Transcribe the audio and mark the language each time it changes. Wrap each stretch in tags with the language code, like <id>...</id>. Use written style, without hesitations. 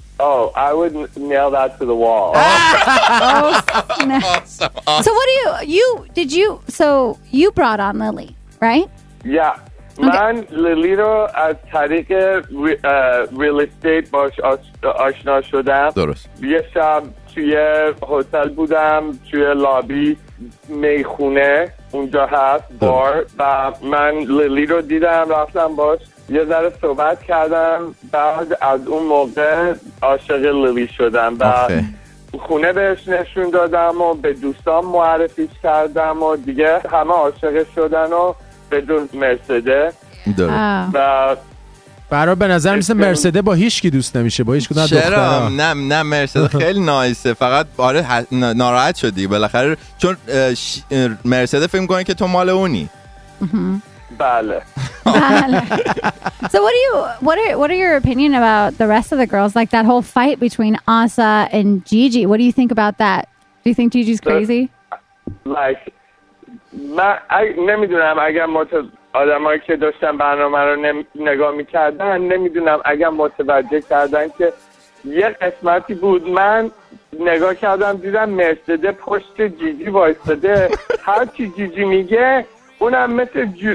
<en>oh I would nail that to the wall awesome. So what do you did you so you brought on Lily right</en> <fa>yeah من لیلی رو از طریق ریل استیت باش آشنا شدم درست یه شب توی هتل بودم توی لابی میخونه اونجا هست بار و من لیلی رو دیدم رفتم باش یه ذره صحبت کردم بعد از اون موقع عاشق لیلی شدم و خونه بهش نشون دادم و به دوستان معرفیش کردم و دیگه همه عاشق شدن و بدون مرسده و برای به نظر میسه مرسده با هیچ کی دوست نمیشه با هیچ کدوم چرا نه مرسده خیلی نایسه فقط آره ناراحت شدی بالاخره چون مرسده فکر میکنه که تو مال اونی بله</fa> <en>so what are your opinion about the rest of the girls like that whole fight between Asa and Gigi what do you think about that do you think Gigi's crazy</en> <fa>like من نمیدونم اگر آدمایی که داشتن برنامه رو نگاه میکردن نمیدونم اگر متوجه کردن که یه قسمتی بود من نگاه کردم دیدم مرسده پشت جیجی وایستده هرچی جیجی میگه اونم مثل</fa>